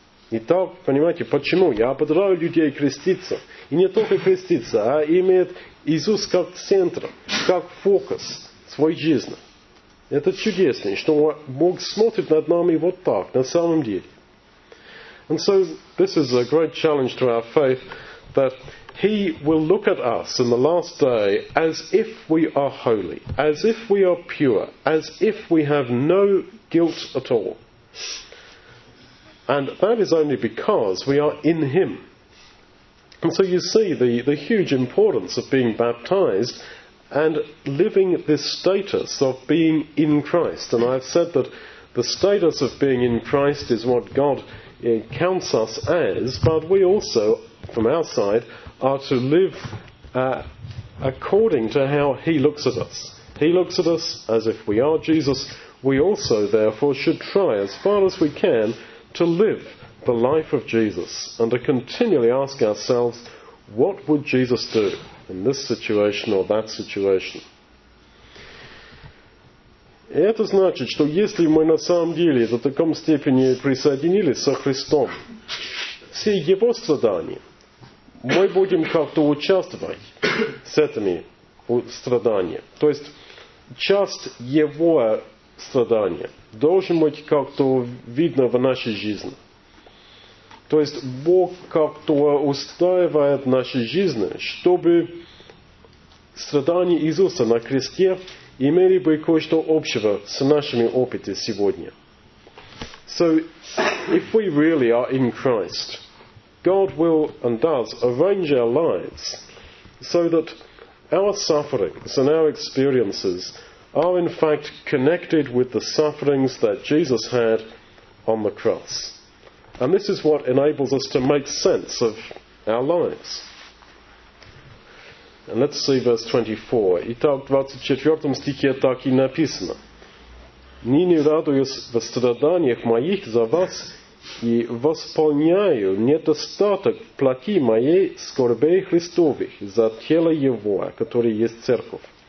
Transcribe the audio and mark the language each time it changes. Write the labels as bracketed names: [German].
[Russian] Итак, понимаете, почему? Я ободраю людей креститься. И не только креститься, а имеет Иисус как центр, как фокус своей жизни. Это чудесно, что Бог смотрит над нами вот так, на самом деле. [English] And so this is a great challenge to our faith that He will look at us in the last day as if we are holy, as if we are pure, as if we have no guilt at all. And that is only because we are in Him. And so you see the huge importance of being baptized and living this status of being in Christ. And I've said that the status of being in Christ is what God counts us as, but we also, from our side, are to live according to how He looks at us. He looks at us as if we are Jesus. We also, therefore, should try as far as we can to live the life of Jesus and to continually ask ourselves, what would Jesus do in this situation or that situation? [Russian] Это значит, что если мы на самом деле в таком степени присоединились со Христом, все Его страдания, мы будем как-то участвовать с этими страданиями. То есть, часть Его страдания должен быть как-то видно в нашей жизни. То есть, Бог как-то устраивает наши жизни, чтобы страдания Иисуса на кресте имели бы кое-что общего с нашими опытами сегодня. [English] So, if we really are in Christ, God will and does arrange our lives so that our sufferings and our experiences are in fact connected with the sufferings that Jesus had on the cross. And this is what enables us to make sense of our lives. And let's see verse 24. [Russian] Итак, в 24 стихе так и написано. Ныне радуюсь в страданиях моих за вас и восполняю недостаток плоти моей скорбей Христовых за тело Его, которое есть церковь.